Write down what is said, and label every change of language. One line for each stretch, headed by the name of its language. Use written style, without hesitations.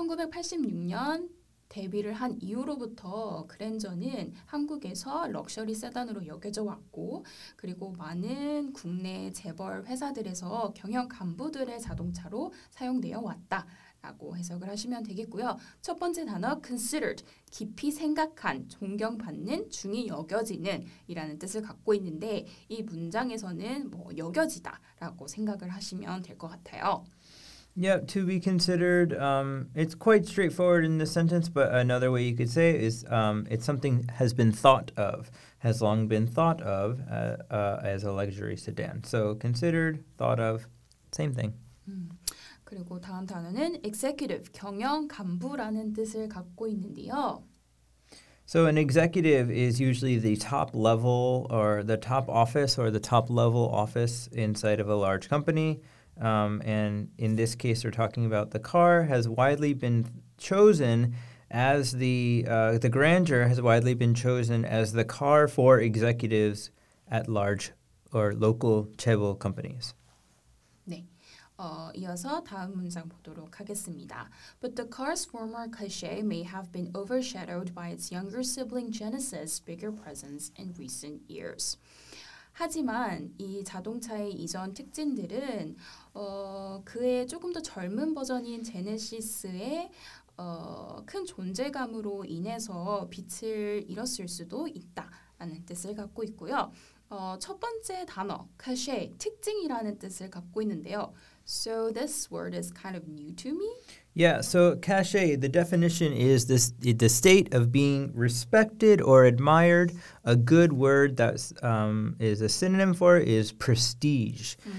Korean: 1986년 데뷔를 한 이후로부터 그랜저는 한국에서 럭셔리 세단으로 여겨져 왔고 그리고 많은 국내 재벌 회사들에서 경영 간부들의 자동차로 사용되어 왔다라고 해석을 하시면 되겠고요. 첫 번째 단어 considered, 깊이 생각한, 존경받는, 중히 여겨지는 이라는 뜻을 갖고 있는데 이 문장에서는 뭐 여겨지다라고 생각을 하시면 될 것 같아요.
English: Yeah, to be considered, it's quite straightforward in this sentence, but another way you could say it is it's something has been thought of, has long been thought of as a luxury sedan. So considered, thought of, same thing.
Korean: 그리고 다음 단어는 executive, 경영 간부라는 뜻을 갖고 있는데요.
English: So an executive is usually the top level or the top office or the top level office inside of a large company. And in this case, we're talking about the car has widely been chosen as the Grandeur has widely been chosen as the car for executives at large or local chaebol companies.
Korean: 네, 이어서 다음 문장 보도록 하겠습니다.
English: But the car's former cachet may have been overshadowed by its younger sibling Genesis' bigger presence in recent years.
Korean: 하지만 이 자동차의 이전 특징들은 그의 조금 더 젊은 버전인 제네시스의 큰 존재감으로 인해서 빛을 잃었을 수도 있다라는 뜻을 갖고 있고요. 첫 번째 단어, cachet, 특징이라는 뜻을 갖고 있는데요.
English: So this word is kind of new to me. Yeah, so cachet, the definition is this, the state of being respected or admired. A good word that is a synonym for it is prestige.